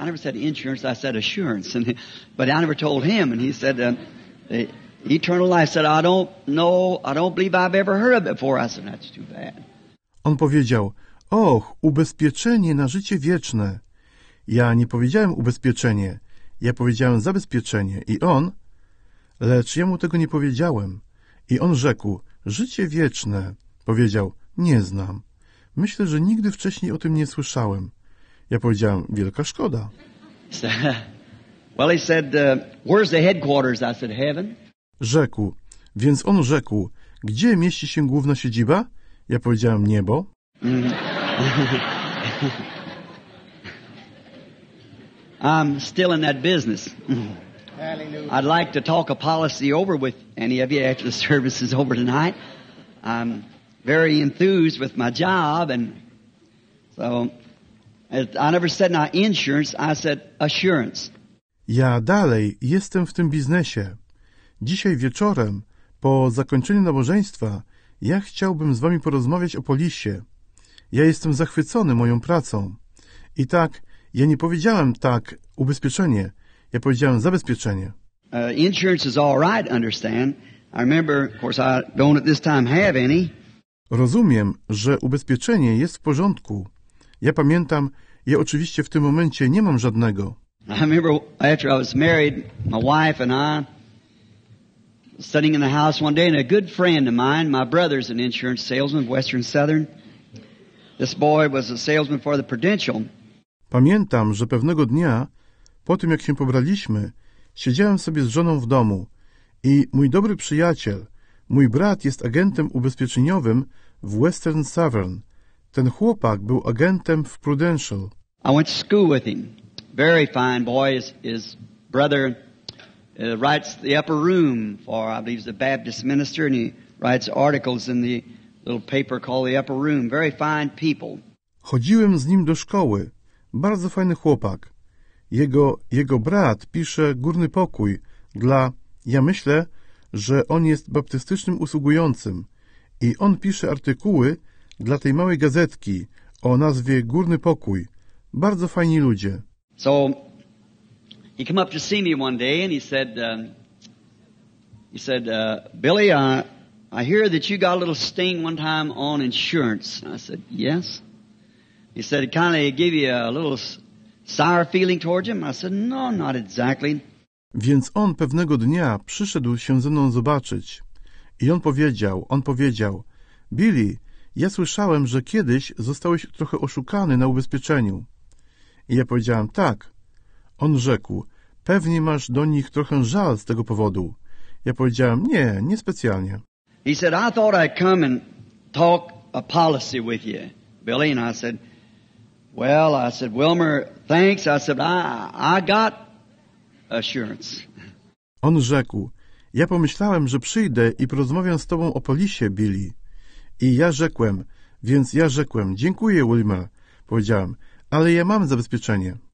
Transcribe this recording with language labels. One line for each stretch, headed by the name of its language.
English: I never said insurance, I said assurance. But I never told him. And he said, the eternal life. I said, I don't know, I don't believe I've ever heard of it before. I said, that's too bad.
Polish: On powiedział, och, ubezpieczenie na życie wieczne. Ja nie powiedziałem ubezpieczenie. Ja powiedziałem zabezpieczenie. I on, lecz ja mu tego nie powiedziałem. I on rzekł, życie wieczne. Powiedział, nie znam. Myślę, że nigdy wcześniej o tym nie słyszałem. Ja powiedziałem, wielka szkoda.
English: Well, he said, where's the headquarters? I said, heaven.
Polish: Rzekł, więc on rzekł, gdzie mieści się główna siedziba? Ja powiedziałem, niebo.
English: I'm still in that business. I'd like to talk a policy over with any of you after the service is over tonight. I'm very enthused with my job, and so I never said not insurance, I said assurance.
Polish: Ja dalej jestem w tym biznesie. Dzisiaj wieczorem, po zakończeniu nabożeństwa, ja chciałbym z wami porozmawiać o polisie. Ja jestem zachwycony moją pracą. I tak, ja nie powiedziałem tak, ubezpieczenie. Ja powiedziałem zabezpieczenie.
English: Insurance is all right, understand. I remember, of course, I don't at this time have any.
Polish: Rozumiem, że ubezpieczenie jest w porządku. Ja pamiętam, ja oczywiście w tym momencie nie mam żadnego.
English: I remember after I was married, my wife and I sitting in the house one day, and a good friend of mine, my brother's an insurance salesman, Western Southern. This boy was a salesman for the Prudential.
Polish: Pamiętam, że pewnego dnia, po tym jak się pobraliśmy, siedziałem sobie z żoną w domu i mój dobry przyjaciel, mój brat jest agentem ubezpieczeniowym w Western Southern. Ten chłopak był agentem w Prudential.
English: I went to school with him. Very fine boy. His brother writes the upper room for, I believe he's a Baptist minister, and he writes articles in the little paper called the upper room. Very fine people.
Polish: Chodziłem z nim do szkoły. Bardzo fajny chłopak. Jego brat pisze górny pokój dla, ja myślę, że on jest baptystycznym usługującym i on pisze artykuły dla tej małej gazetki o nazwie Górny Pokój. Bardzo fajni ludzie.
English: So he came up to see me one day and he said, Billy, I hear that you got a little sting one time on insurance. I said, yes. He said, it kind of gave you a little sour feeling towards him. I said, no, not exactly.
Polish: Więc on pewnego dnia przyszedł się ze mną zobaczyć. I on powiedział, Billy, ja słyszałem, że kiedyś zostałeś trochę oszukany na ubezpieczeniu. I ja powiedziałem, tak. On rzekł, pewnie masz do nich trochę żal z tego powodu. Ja powiedziałem, nie, niespecjalnie.
English: He said, I thought I'd come and talk a policy with you, Billy. And I said, well, I said, Wilmer, thanks. I said, I got... assurance.
Polish: On rzekł, ja pomyślałem, że przyjdę i porozmawiam z tobą o polisie, Billy. I ja rzekłem, dziękuję, Wilmer. Powiedziałem, ale ja mam zabezpieczenie.